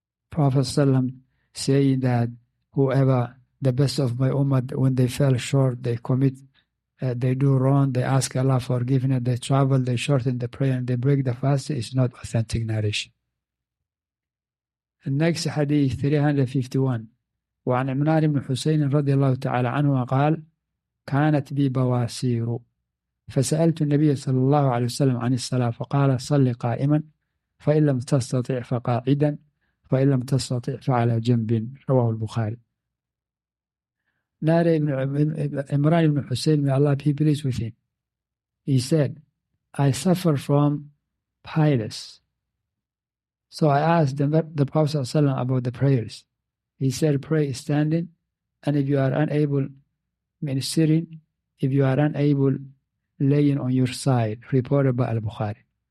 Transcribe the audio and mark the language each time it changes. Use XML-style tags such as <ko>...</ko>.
<en>Prophet Sallam saying that whoever, the best of my ummah, when they fell short, they commit, they do wrong, they ask Allah for forgiveness, they travel, they shorten the prayer, and they break the fast, is not authentic narration. Next hadith, 351.</en> <ar>وعن عمران بن حسين رضي الله تعالى عنه قال كانت بي بواسير فسألت النبي صلى الله عليه وسلم عن الصلاة فقال صل قائما فإن لم تستطع فقاعدا فإن لم تستطع فعلى جنب رواه البخاري.</ar> <en>نار عمران بن حسين may Allah be pleased with him, he said I suffer from pilus, so I asked the Prophet</en> <ar>صلى الله عليه وسلم</ar> <en>about the prayers. He said, pray standing, and if you are unable, meaning sitting, if you are unable, laying on your side, reported by Al-Bukhari.</en>